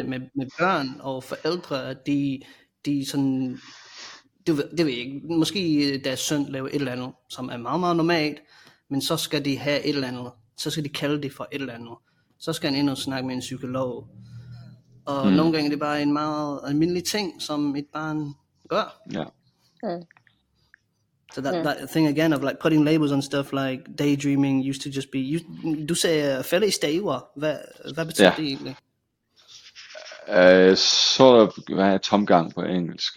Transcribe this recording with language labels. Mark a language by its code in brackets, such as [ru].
[da] Med børn og forældre, de sådan, det ved jeg ikke. Måske deres søn laver et eller andet, som er meget, meget normalt, men så skal de have et eller andet. Så skal de kalde det for et eller andet. Så skal han ind og snakke med en psykolog. Og nogle gange er det bare en meget almindelig ting, som et barn gør. Ja. [en] Så that thing again of like putting labels on stuff like daydreaming used to just be... [da] Du sagde fælde i staver. Hvad betyder det egentlig? [en] Sort of, [da] hvad er tomgang på engelsk?